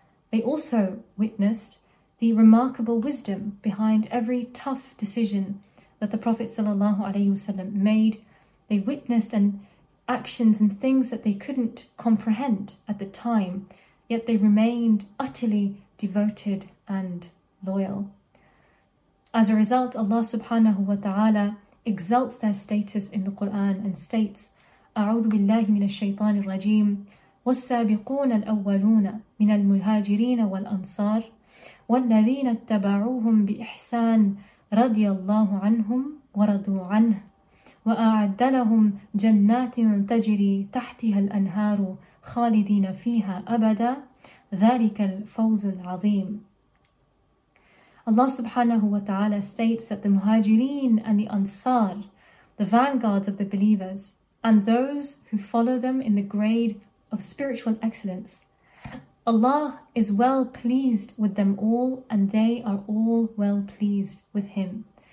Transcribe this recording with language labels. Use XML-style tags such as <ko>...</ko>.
<en>They also witnessed the remarkable wisdom behind every tough decision that the Prophet sallallahu alayhi wa sallam made. They witnessed and actions and things that they couldn't comprehend at the time, yet they remained utterly devoted and loyal. As a result, Allah subhanahu wa ta'ala exalts their status in the Quran and states,</en> <ar>أعوذ بالله من الشيطان الرجيم والسابقون الأولون من المهاجرين والأنصار والذين اتبعوهم بإحسان رضي الله عنهم ورضوا عنه وأعد لهم جنات تجري تحتها الأنهار خالدين فيها أبدا ذلك الفوز العظيم.</ar> <en>Allah subhanahu wa ta'ala states that the Muhajireen and the Ansar, the vanguards of the believers, and those who follow them in the grade of spiritual excellence, Allah is well pleased with them all, and they are all well pleased with Him.</en>